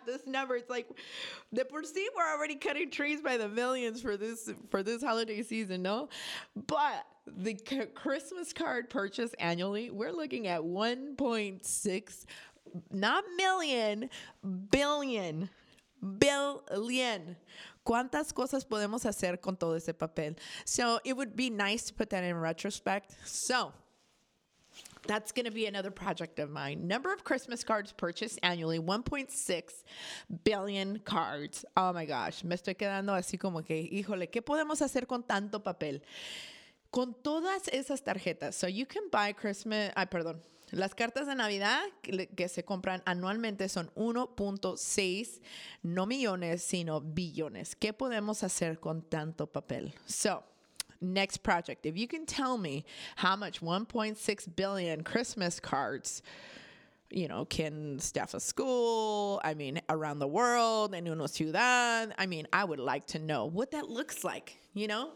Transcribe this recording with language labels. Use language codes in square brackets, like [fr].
[en] This number, it's like, [es] de por sí, [en] we're already cutting trees by the millions for this holiday season, no? But the Christmas card purchased annually, we're looking at 1.6, not million, billion. Billion. [es] ¿Cuántas cosas podemos hacer con todo ese papel? [en] So, it would be nice to put that in retrospect. So, that's going to be another project of mine. Number of Christmas cards purchased annually, 1.6 billion cards. Oh, my gosh. [es] Me estoy quedando así como que, híjole, ¿qué podemos hacer con tanto papel? Con todas esas tarjetas. [en] So you can buy [es] Las cartas de Navidad que se compran anualmente son 1.6, no millones, sino billones. ¿Qué podemos hacer con tanto papel? [en] So, next project. If you can tell me how much 1.6 billion Christmas cards, you know, can staff a school, I mean, around the world, [es] en una ciudad, [en] I mean, I would like to know what that looks like, you know?